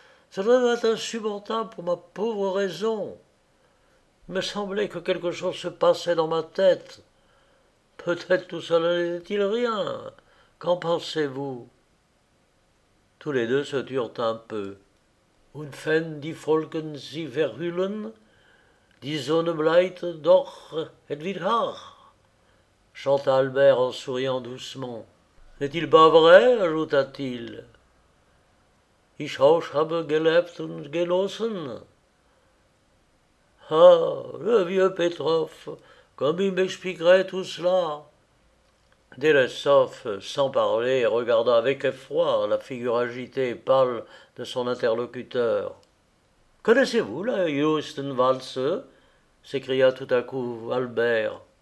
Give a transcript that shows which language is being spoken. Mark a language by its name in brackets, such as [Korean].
[French] Cela devint insupportable pour ma pauvre raison. Il me semblait que quelque chose se passait dans ma tête. Peut-être tout cela n'était-il rien. Qu'en pensez-vous? Tous les deux se turent un peu. [German] Und fen die Folgen sie verhüllen, die Sonne bleibt doch etwas, [French] chanta Albert en souriant doucement. N'est-il pas vrai? Ajouta-t-il. [German] Ich auch habe gelebt und genossen. [French] Ah, le vieux Petrov, comme il m'expliquerait tout cela? Delessoff, sans parler, regarda avec effroi la figure agitée et pâle de son interlocuteur. Connaissez-vous la Justenwalze? S'écria tout à coup Albert.